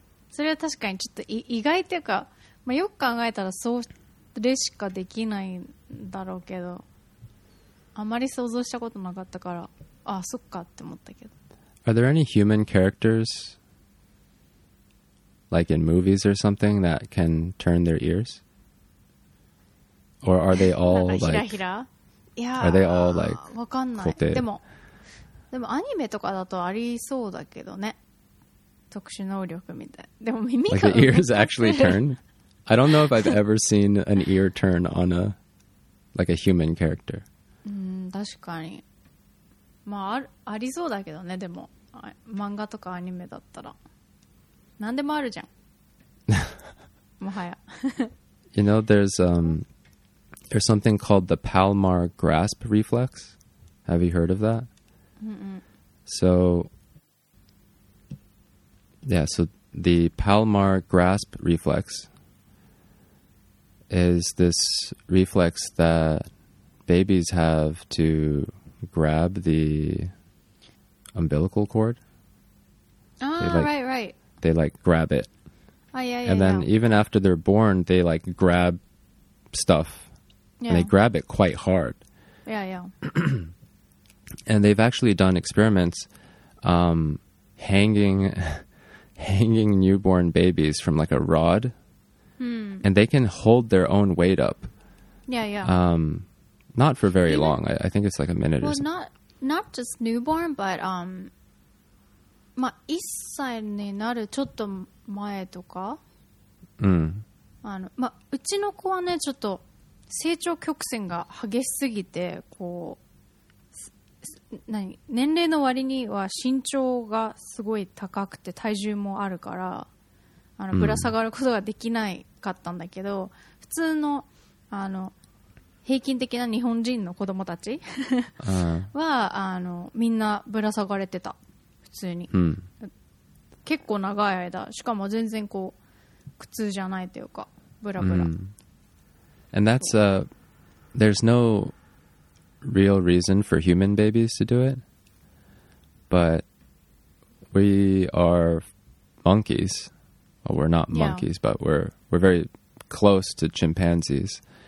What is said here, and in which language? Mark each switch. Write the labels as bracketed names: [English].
[Japanese] それは確かにちょっと意外っていうか、まあ、よく考えたらそれしかできないんだろうけど、あまり想像したことなかったから、あ、そっかって思ったけど。 [English] Are there any human characters like in movies or something that can turn their ears? Or are they all like... [Japanese] ひらひら？ [English] Are they all like... [Japanese] わかんない。でもアニメとかだとありそうだけどね。特殊能力みたい。でも耳が。 [English] Like the ears actually turn? I don't know if I've ever seen an ear turn on a, like a human character. [Japanese] うん、確かに。まあ、ありそうだけどね、でも。漫画とかアニメだったら。何でもあるじゃん。もはや。 [English] You know, there's something called the Palmar Grasp Reflex. Have you heard of that? Mm-mm. So the palmar grasp reflex is this reflex that babies have to grab the umbilical cord. Ah, right. They like grab it. Oh, yeah. And then even after they're born, they like grab stuff. Yeah. And they grab it quite hard. Yeah. And they've actually done experiments hanging newborn babies from like a rod. And they can hold their own weight up. Yeah. Not for very long. I think it's like a minute or something. Not just newborn, but... [Japanese] まあ、1歳になるちょっと前とか。あの、まあ、うちの子はね、ちょっと成長曲線が激しすぎて、こう。何年齢の割には身長がすごい高くて体重もあるから、あのぶら下がることができないかったんだけど、普通 の, あの平均的な日本人の子供たちはあのみんなぶら下がれてた、普通に、結構長い間、しかも全然こう苦痛じゃないというか、ぶらぶら。 [English] And that's a there's noreal reason for human babies to do it, but we are monkeys. Well, we're not monkeys, but we're very close to chimpanzees.